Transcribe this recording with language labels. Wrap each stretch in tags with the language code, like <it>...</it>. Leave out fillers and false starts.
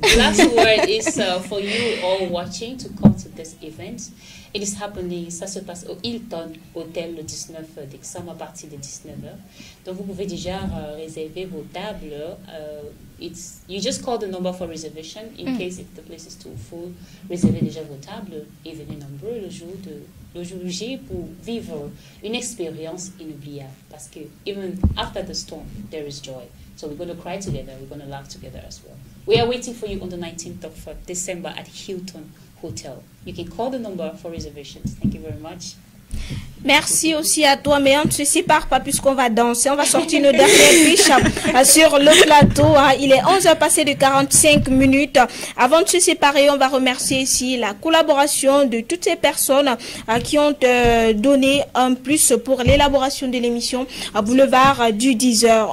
<en>The last word is for you all watching to come to this event. It is happening,</en> <fr>ça se passe au Hilton Hotel le 19 décembre à partir de 19h. Donc vous pouvez déjà réserver vos tables.</fr> <en>You just call the number for reservation in case if the place is too full.</en> <fr>Réservez déjà vos tables et venez nombreux le jour J pour vivre une expérience inoubliable. Parce que</fr> <en>even after the storm, there is joy. So we're going to cry together, we're going to laugh together as well. We are waiting for you on the 19th of December at Hilton Hotel. You can call the number for reservations. Thank you very much.</en> <fr>Merci aussi à toi, mais on ne se sépare pas puisqu'on va danser. On va sortir nos dernières fiches sur le plateau. Il est 11h passé de 45 minutes. Avant de se séparer, on va remercier ici la collaboration de toutes ces personnes qui ont donné un plus pour l'élaboration de l'émission Boulevard du 10h.</fr>